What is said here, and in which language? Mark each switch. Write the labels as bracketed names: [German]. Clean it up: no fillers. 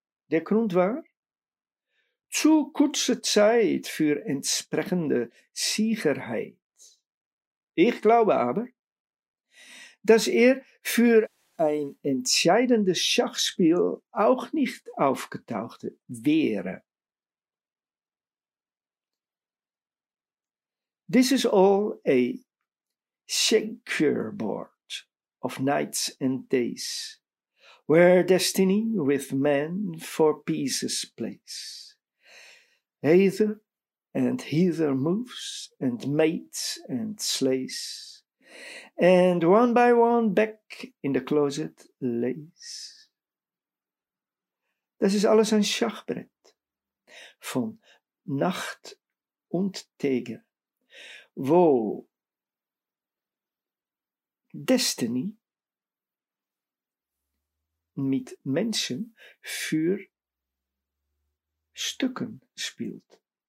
[German] Der Grund war, zu kurze Zeit für entsprechende Sicherheit. Ich glaube aber, dass er für ein entscheidendes Schachspiel auch nicht aufgetaucht wäre. [English] This is all a checkerboard board of nights and days, where destiny with men for pieces plays. Hither and hither moves and mates and slays. And one by one back in the closet lays. [German] Das ist alles ein Schachbrett von Nacht und Tage, wo Destiny mit Menschen für Stücken spielt.